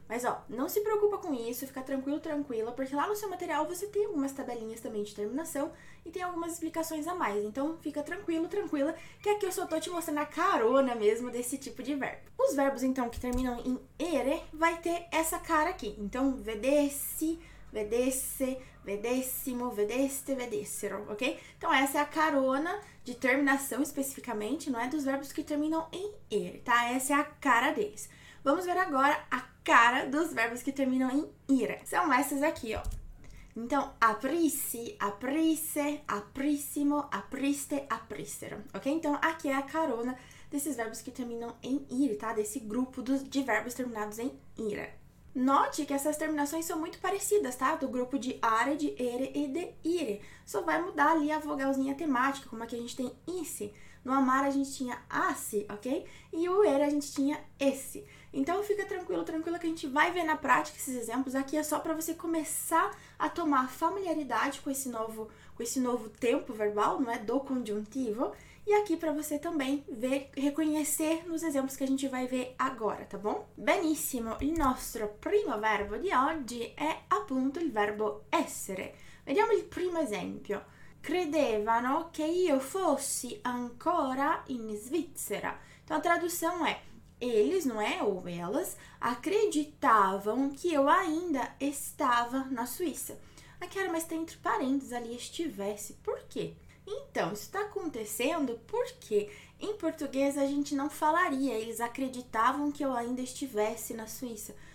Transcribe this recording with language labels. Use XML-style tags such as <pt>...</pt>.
<pt>Mas ó, não se preocupa com isso, fica tranquilo, tranquila, porque lá no seu material você tem algumas tabelinhas também de terminação e tem algumas explicações a mais. Então fica tranquilo, tranquila, que aqui eu só tô te mostrando a carona mesmo desse tipo de verbo. Os verbos então que terminam em ere vai ter essa cara aqui. Então</pt> <it>vedessi, vedesse, vedessimo, vedeste, vedessero, ok?</it> <pt>Então essa é a carona de terminação especificamente, não é dos verbos que terminam em ere, tá? Essa é a cara deles. Vamos ver agora a cara dos verbos que terminam em ira. São essas aqui, ó. Então</pt> <it>aprissi, aprisse, aprissimo, apriste, aprissero, ok?</it> <pt>Então aqui é a carona desses verbos que terminam em ire, tá? Desse grupo de verbos terminados em ira. Note que essas terminações são muito parecidas, tá? Do grupo de are, de ere e de ire. Só vai mudar ali a vogalzinha temática, como aqui a gente tem isse. No amar a gente tinha asse, ok? E o ere a gente tinha esse. Então fica tranquilo, tranquila que a gente vai ver na prática esses exemplos. Aqui é só para você começar a tomar familiaridade com esse novo tempo verbal, não é? Do conjuntivo. E aqui para você também ver, reconhecer nos exemplos que a gente vai ver agora, tá bom?</pt> <it>Benissimo, il nostro primo verbo di oggi è appunto il verbo essere. Vediamo il primo esempio. Credevano che io fossi ancora in Svizzera.</it> <pt>Então a tradução è: eles, não é? Ou elas, acreditavam</pt> <it>che io</it> <pt>ainda estava na Suíça. Aqui era, mas tá entre parênteses ali, estivesse. Por quê? Então, isso está acontecendo porque em português a gente não falaria, eles acreditavam que eu ainda estivesse na Suíça.</pt>